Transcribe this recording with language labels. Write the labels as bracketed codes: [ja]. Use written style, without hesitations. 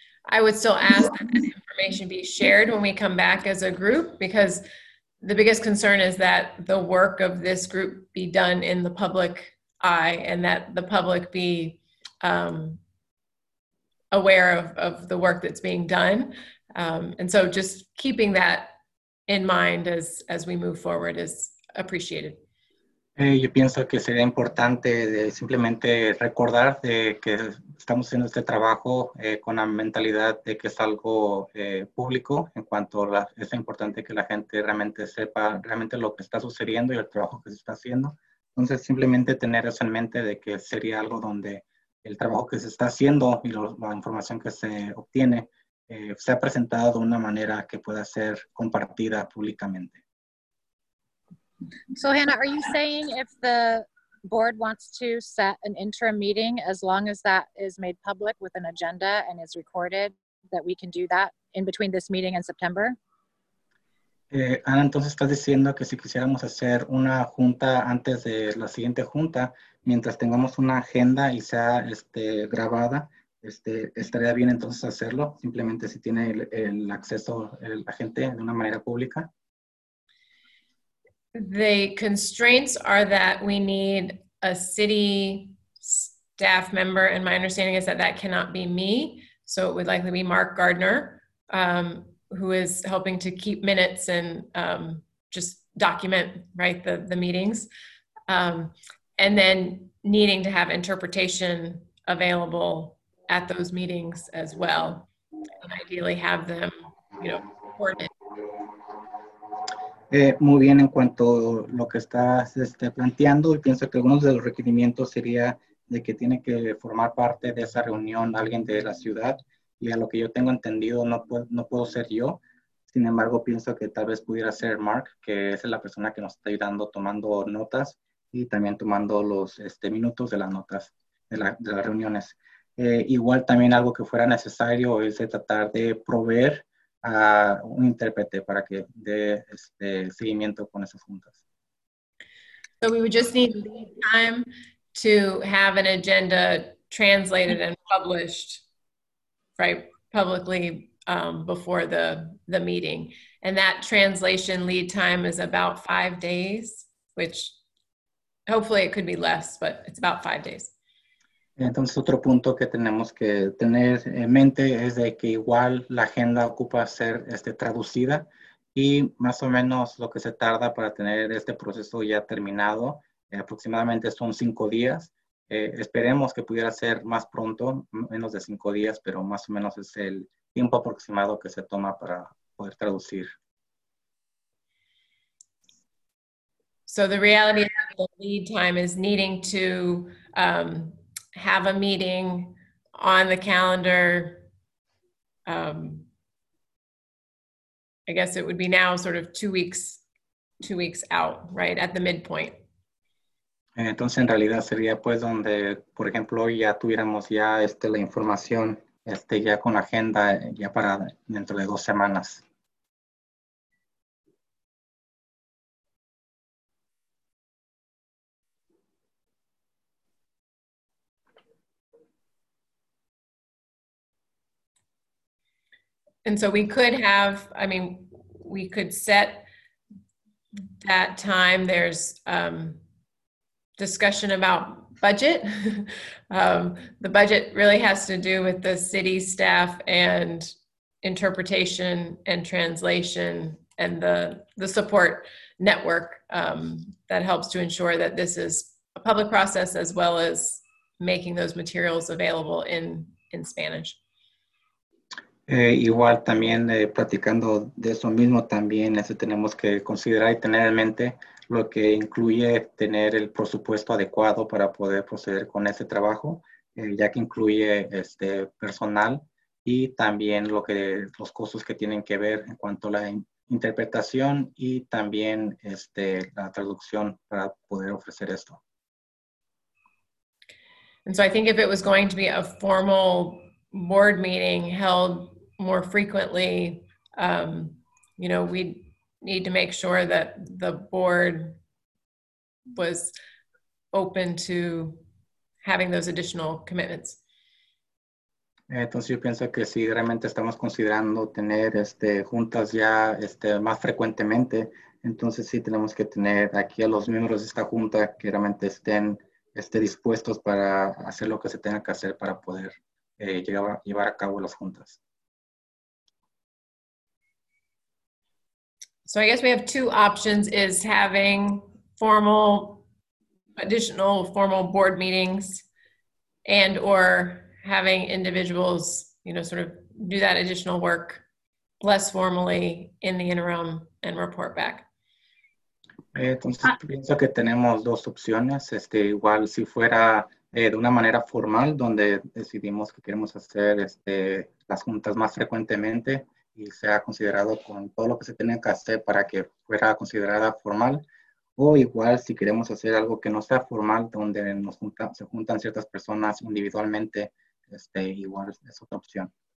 [en] I would still ask that information be shared when we come back as a group, because the biggest concern is that the work of this group be done in the public eye and that the public be aware of the work that's being done. And so just keeping that in mind as we move forward is appreciated. [es] Yo pienso que sería importante simplemente recordar que estamos haciendo este trabajo con la mentalidad de que es algo público, en cuanto es importante que la gente realmente sepa realmente lo que está sucediendo y el trabajo que se está haciendo. Entonces, simplemente tener eso en mente de que sería algo donde el trabajo que se está haciendo y la información que se obtiene sea presentado de una manera que pueda ser compartida públicamente. [en] So, Hannah, are you saying if the board wants to set an interim meeting, as long as that is made public with an agenda and is recorded, that we can do that in between this meeting and September? [es] Ana, entonces estás diciendo que si quisiéramos hacer una junta antes de la siguiente junta, mientras tengamos una agenda y sea grabada, estaría bien entonces hacerlo, simplemente si tiene el acceso la gente de una manera pública. [en] The constraints are that we need a city staff member, and my understanding is that that cannot be me, so it would likely be Mark Gardner, who is helping to keep minutes and just document, right, the meetings, and then needing to have interpretation available at those meetings as well, and ideally have them, you know, coordinated. [es] Muy bien, en cuanto a lo que estás planteando, pienso que uno de los requerimientos sería de que tiene que formar parte de esa reunión alguien de la ciudad, y a lo que yo tengo entendido, no puedo ser yo. Sin embargo, pienso que tal vez pudiera ser Mark, que es la persona que nos está ayudando tomando notas y también tomando los minutos de las notas de las reuniones. Igual también algo que fuera necesario es de tratar de proveer a un intérprete para que dé seguimiento con esas juntas. [en] So we would just need time to have an agenda translated and published, right, publicly before the meeting. And that translation lead time is about 5 days, which hopefully it could be less, but it's about 5 days. [es] Entonces, otro punto que tenemos que tener en mente es de que igual la agenda ocupa ser traducida, y más o menos lo que se tarda para tener este proceso ya terminado, aproximadamente son 5 días. Esperemos que pudiera ser más pronto, menos de 5 días, pero más o menos es el tiempo aproximado que se toma para poder traducir. [en] So the reality of the lead time is needing to have a meeting on the calendar. I guess it would be now sort of two weeks out, right, at the midpoint. [es] Entonces, en realidad sería pues donde, por ejemplo, ya tuviéramos ya la información ya con la agenda ya para dentro de 2 semanas. [en] And so we could have, I mean, we could set that time. There's discussion about budget. The budget really has to do with the city staff and interpretation and translation and the support network that helps to ensure that this is a public process as well as making those materials available in Spanish. [es] Igual también platicando de eso mismo, también tenemos que considerar y tener en mente lo que incluye tener el presupuesto adecuado para poder proceder con ese trabajo, ya que incluye este personal y también lo que los costos que tienen que ver en cuanto a la interpretación y también este la traducción para poder ofrecer esto. [en] And so I think if it was going to be a formal board meeting held more frequently, you know, we need to make sure that the board was open to having those additional commitments. [es] Entonces yo pienso que si realmente estamos considerando tener este juntas ya este más frecuentemente, entonces sí tenemos que tener aquí a los miembros de esta junta que realmente estén este dispuestos para hacer lo que se tenga que hacer para poder llevar a cabo las juntas. [en] So I guess we have two options: is having additional formal board meetings, and or having individuals, you know, sort of do that additional work less formally in the interim and report back. [es] Entonces pienso que tenemos dos opciones. Este, igual si fuera de una manera formal, donde decidimos que queremos hacer este las juntas más frecuentemente. Y sea considerado con todo lo que se tiene que hacer para que fuera considerada formal. O igual, si queremos hacer algo que no sea formal, donde se juntan ciertas personas individualmente, este, igual es otra opción.